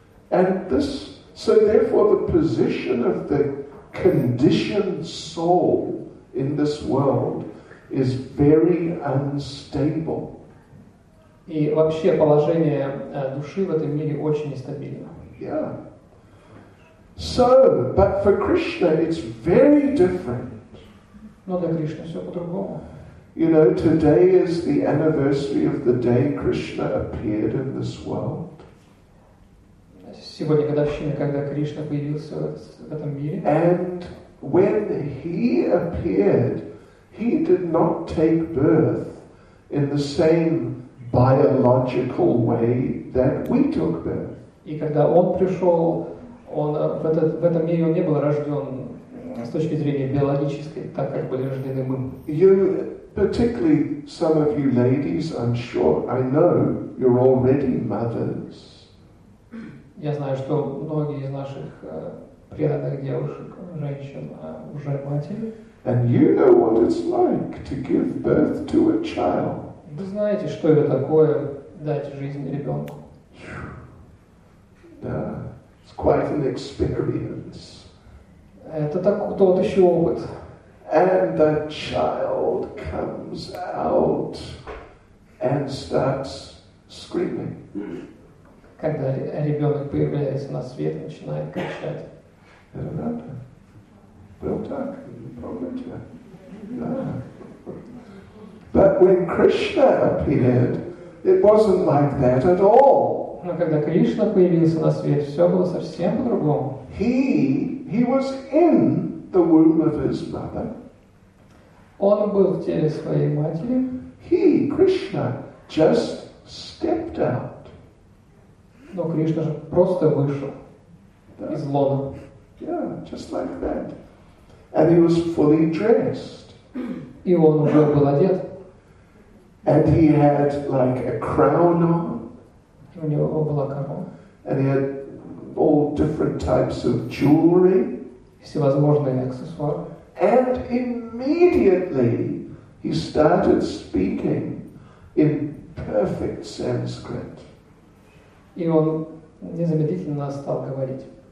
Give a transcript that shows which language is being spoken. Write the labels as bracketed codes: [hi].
[en] And this, so therefore the position of the conditioned soul in this world is very unstable. [ru] И вообще положение души в этом мире очень нестабильно. [en] Yeah. So, but for Krishna it's very different. [ru] Но для Кришны все по-другому. [en] You know, today is the anniversary of the day Krishna appeared in this world. [ru] Сегодня годовщина, когда Кришна появился в этом мире. [en] And when he appeared, he did not take birth in the same biological way that we took birth. [ru] И когда он пришел, он в этом мире он не был рожден с точки зрения биологической, так как были рождены мы. [en] You, particularly some of you ladies, I'm sure, I know you're already mothers. [ru] Я знаю, что многие из наших преданных девушек, женщин, уже матери. [en] And you know what it's like to give birth to a child. [ru] Вы знаете, что это такое дать жизнь ребенку? Да, [en] it's quite an experience. [ru] Это так, тот еще опыт. [en] And the child comes out and starts screaming. [ru] Когда ребенок появляется на свет, начинает кричать. Это правда? Был так, не помню тебя. Да. [en] But when Krishna appeared, it wasn't like that at all. [ru] Но когда Кришна появился на свет, все было совсем по-другому. [en] He was in the womb of his mother. [ru] Он был в теле своей матери. [en] He, Krishna, just stepped out. [ru] Но Кришна же просто вышел из лона. [en] Yeah, just like that. And he was fully dressed. [ru] И он уже был одет. [en] And he had like a crown on. [ru] У него была корона. [en] And he had all different types of jewelry. [ru] Всевозможные аксессуары. [en] And immediately he started speaking in perfect Sanskrit. [ru] И он незамедлительно стал говорить.